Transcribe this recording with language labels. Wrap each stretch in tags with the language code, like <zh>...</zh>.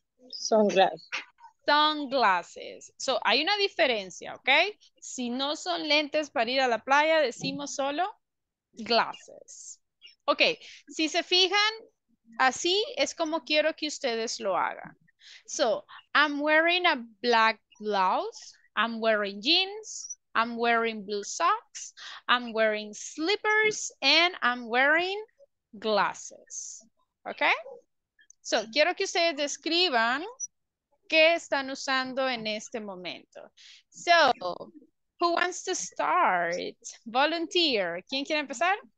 <en>Sunglasses.</en> <es>Sunglasses. So, hay una diferencia, ¿ok? Si no son lentes para ir a la playa, decimos solo glasses. Ok, si se fijan, así es como quiero que ustedes lo hagan.</es> <en>So, I'm wearing a black blouse, I'm wearing jeans, I'm wearing blue socks, I'm wearing slippers, and I'm wearing glasses.</en> <es>¿Ok? So, quiero que ustedes describan qué están usando en este momento.</es> <en>So, who wants to start? Volunteer.</en> <es>¿Quién quiere empezar?</es>